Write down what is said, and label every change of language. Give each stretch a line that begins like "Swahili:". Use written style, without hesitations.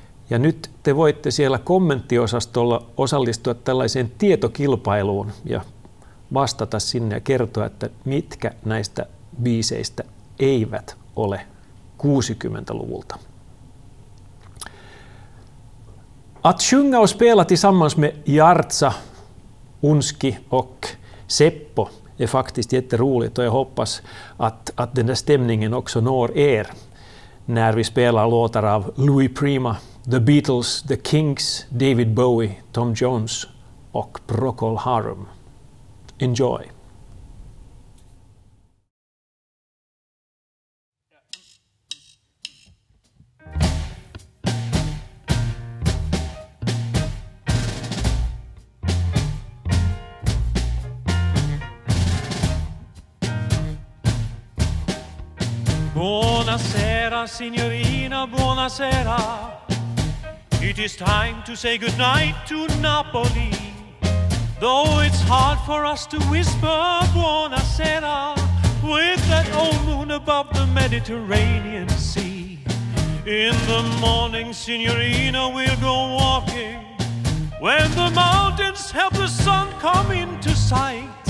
Finnish: Ja nyt te voitte siellä kommenttiosastolla osallistua tällaiseen tietokilpailuun ja vastata sinne ja kertoa, että mitkä näistä biiseistä eivät ole 60-luvulta.
Swedish: Att sjunga och spela tillsammans med Jartsa, Unski och Seppo är faktiskt jätteroligt och jag hoppas att den där stämningen också når er när vi spelar låtar av Louis Prima, The Beatles, The Kinks, David Bowie, Tom Jones och Procol Harum.
English: Enjoy!
Italian: Buonasera, signorina, buonasera.
English: It is time to say goodnight to Napoli. Though it's hard for us to whisper buonasera with that old moon above the Mediterranean Sea. In the morning, signorina, we'll go walking when the mountains help the sun come into sight.